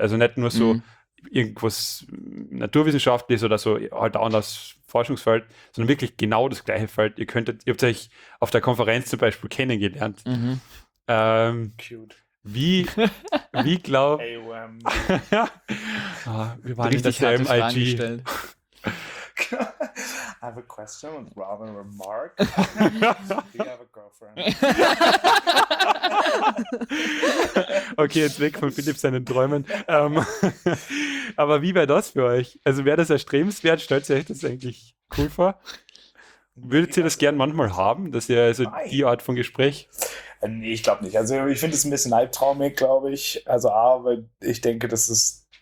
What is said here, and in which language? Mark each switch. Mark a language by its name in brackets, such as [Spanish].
[German] Also nicht nur so irgendwas Naturwissenschaftliches oder so, halt auch anders Forschungsfeld, sondern wirklich genau das gleiche Feld. Ihr habt euch auf der Konferenz zum Beispiel kennengelernt. Cute. Wie glaub... AOM. Wir waren nicht dasselbe IG. [English] I have a question with Robin Remark. Do you have a girlfriend? [German] Okay, jetzt weg von Philipp seinen Träumen. Aber wie wäre das für euch? Also wäre das erstrebenswert? Stellt ihr euch das eigentlich cool vor? Würdet ihr das gern manchmal haben, dass ihr also die Art von Gespräch? Nee, ich glaube nicht. Also ich finde es ein bisschen albtraumig, glaube ich. Also A, weil ich denke, das ist,